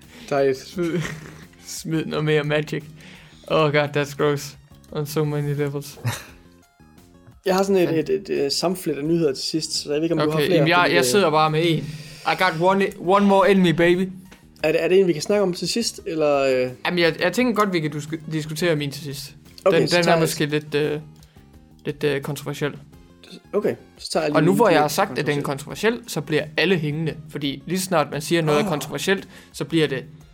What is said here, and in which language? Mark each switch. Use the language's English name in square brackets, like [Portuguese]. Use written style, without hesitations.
[Danish] Dejligt. Smid noget mere magic. [English] Oh god, that's gross. On so many levels. [Danish] Jeg har sådan et samflet af nyheder til sidst, så jeg ved ikke, om okay, du har flere. Okay, jeg sidder bare med en. [English] I got one more enemy, baby. [Danish] Er det en, vi kan snakke om til sidst, eller? Jamen, jeg tænker godt, vi kan diskutere min til sidst. Okay, den er måske lidt kontroversiel. Okay, så tager jeg lige. Og nu hvor jeg har sagt, at den er kontroversiel, så bliver alle hængende. Fordi lige snart man siger, noget er kontroversielt, så bliver det...